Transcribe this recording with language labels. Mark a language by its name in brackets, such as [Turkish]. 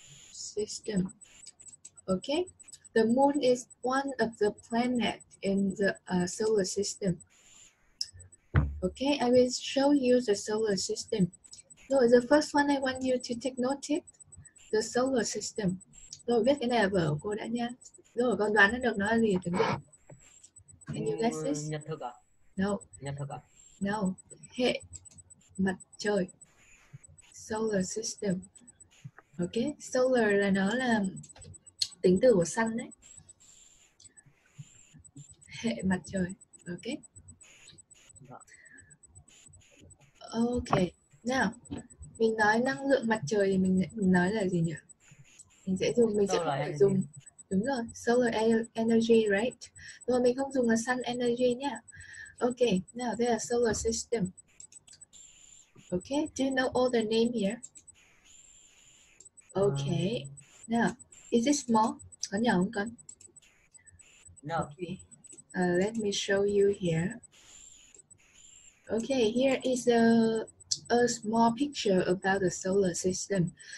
[English] System. Okay, the moon is one of the planet in the solar system. Okay, I will show you the solar system. So the first one I want you to take note it, the solar system. [Vietnamese] Rồi biết cái này là vở của cô đã nha. Rồi con đoán được nó là gì từng biết. [English] Can you guess this? [Vietnamese] Nhật thực à? [English] No. [Vietnamese] Nhật thực à? No. Hệ mặt trời. [English] Solar system. [Vietnamese] Okay, solar là nó là tính từ của sun đấy. Hệ mặt trời. Okay. Okay, now, mình nói năng lượng mặt trời thì mình nói là gì nhỉ? Mình sẽ dùng, mình solar sẽ không dùng, đúng rồi, [English] solar energy, right? [Vietnamese] Rồi mình không dùng là sun energy nhé. [English] Okay, now, there are solar system. Okay, do you know all the name here? Okay, now, is it small? [Vietnamese] Có nhỏ không con? [English] No. Okay, let me show you here. Okay, here is a small picture about the solar system.